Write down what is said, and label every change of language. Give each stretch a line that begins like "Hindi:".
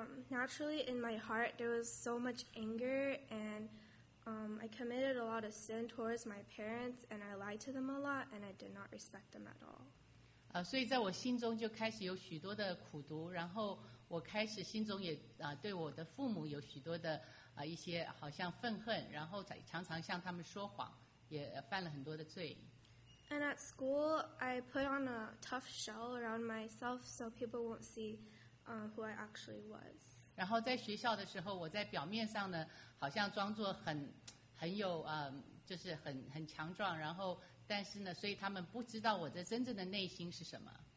English: Naturally in my heart there was so much anger, and I committed a lot of sin towards my parents, and I lied to them a lot, and I did not respect them at all.
Chinese: 所以在我心中就开始有许多的苦毒，然后我开始心中也对我的父母有许多的一些好像愤恨，然后常常向他们说谎，也犯了很多的罪。
English: And at school, I put on a tough shell around myself so people won't see who I actually was.
Chinese: 然后在学校的时候，我在表面上呢，好像装作很强壮，然后但是呢，所以他们不知道我的真正的内心是什么。